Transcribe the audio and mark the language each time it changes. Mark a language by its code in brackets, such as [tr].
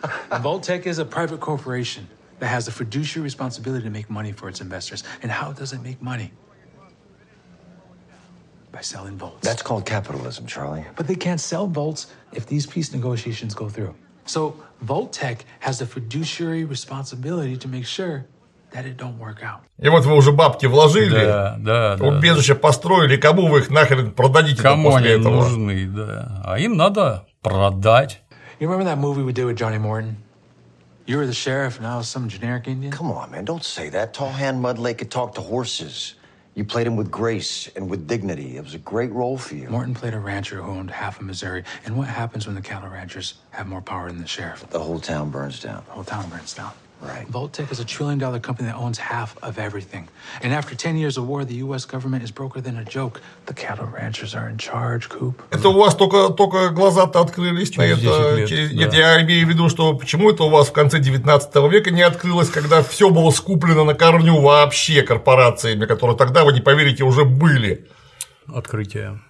[en] And Vault-Tec is a private corporation that has a fiduciary responsibility to make money for its investors. And how does it make money? By selling vaults. That's called capitalism, Charlie. But they can't sell vaults if these peace negotiations go through. So Vault-Tec has a fiduciary responsibility to make sure that it don't work out. [ru] И вот вы уже бабки вложили, да, да, убежище, да, построили, кому вы их нахрен продадите? Кому после они этого нужны, да. А им надо продать. [en] You remember that movie we did with Johnny Morton? You were the sheriff and I was some generic Indian? Come on, man, don't say that. Tall Hand Mudlake could talk to horses. You played him with grace and with dignity. It was a great role for you. Morton played a rancher who owned half of Missouri. And what happens when the cattle ranchers have more power than the sheriff? The whole town burns down. The whole town burns down. Right. Vault-Tec is a trillion-dollar company that owns half of everything. And after 10 years of war, the U.S. government is broker than a joke. The cattle ranchers are in charge, Coop. [ru] Это у вас только глаза-то открылись. Через 10 лет. Нет, я имею в виду, что почему это у вас в конце 19 века не открылось, когда все было скуплено на корню вообще корпорациями, которые тогда, вы не поверите, уже были. Открытие.